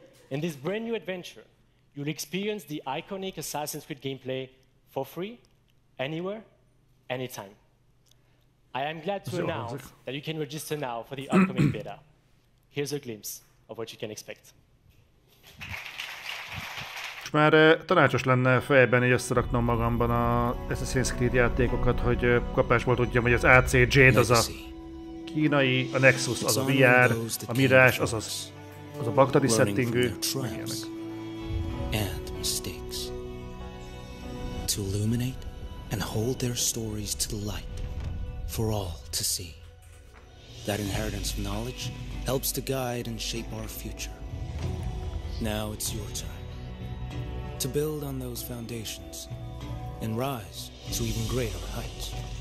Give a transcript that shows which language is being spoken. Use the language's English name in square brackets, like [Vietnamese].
[English] In this brand new adventure, you'll experience the iconic Assassin's Creed gameplay for free, anywhere, anytime. I am glad to announce that you can register now for the upcoming beta. Here's a glimpse of what you can expect. [Hungarian] Most már tanácsos lenne fejben így összeraknom magamban az Assassin's Creed játékokat, hogy kapásból tudjam, hogy az AC Jade az a kínai, a Nexus az a VR, a Mirage az a bagdadi settingű. [English] And mistakes. To illuminate and hold their stories to the light. For all to see. That inheritance of knowledge helps to guide and shape our future. Now it's your time to build on those foundations and rise to even greater heights.